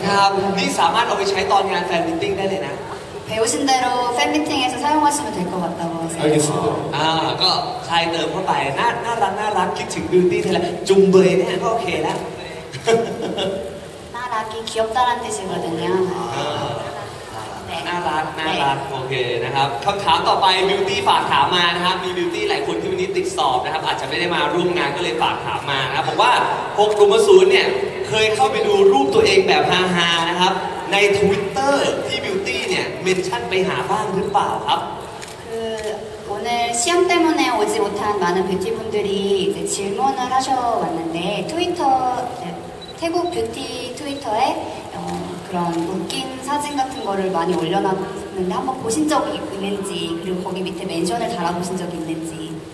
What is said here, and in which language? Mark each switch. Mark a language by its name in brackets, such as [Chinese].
[Thai] ครับนี่สามารถเอาไปใช้ตอนงานแฟนมิตติ้งได้เลยนะ [Korean] 배우신 대로 팬미팅에서 사용하시면 될 것 같다고 하세요. 알겠습니다. 아, 그 사이 더 퍼바에 나락 기층 뷰티 텔레 중부에 대한 거 오케이 나. 나락이 귀엽다란 뜻이거든요. [Thai] น่ารักโอเคนะครับคำถามต่อไปบิวตี้ฝากถามมานะครับมีบิวตี้หลายคนที่วันนี้ติดสอบนะครับอาจจะไม่ได้มาร่วมงานก็เลยฝากถามมานะครับบอกว่า 60เนี่ยเคยเข้าไปดูรูปตัวเองแบบฮาๆนะครับใน Twitter ที่บิวตี้เนี่ยเมนชั่นไปหาบ้างหรือเปล่าครับคือ [Korean] 오늘 시험 때문에 오지 못한 많은 뷰티 분들이 이제 질문을 하셔왔는데 트위터 태국 뷰티 트위터에 그런 웃긴 사진 같은 거를 많이 올려놨는데 한번 보신 적이 있는지 그리고 거기 밑에 멘션을 달아보신 적이 있는지